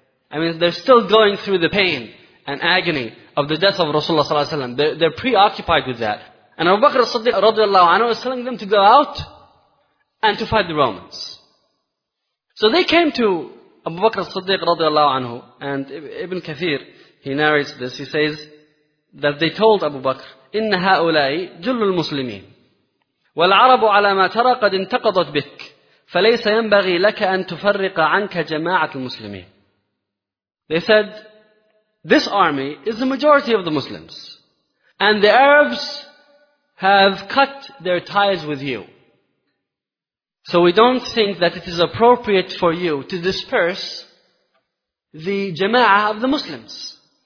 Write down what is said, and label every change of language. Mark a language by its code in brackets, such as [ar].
[en] I mean, they're still going through the pain and agony of the death of Rasulullah ﷺ. They're preoccupied with that. And Abu Bakr as-Siddiq radiallahu anhu is telling them to go out and to fight the Romans. So they came to Abu Bakr as-Siddiq radiallahu anhu and Ibn Kathir. He narrates this, he says that they told Abu Bakr, [ar] إِنَّ هَؤُلَاءِ جُلُّ الْمُسْلِمِينَ وَالْعَرَبُ عَلَى مَا تَرَى قَدْ انْتَقَضَتْ بِكَ فَلَيْسَ يَنْبَغِي لَكَ أَنْ تُفَرِّقَ عَنْكَ جَمَاعَةَ الْمُسْلِمِينَ. [en] They said, this army is the majority of the Muslims. And the Arabs have cut their ties with you. So we don't think that it is appropriate for you to disperse the jama'ah of the Muslims.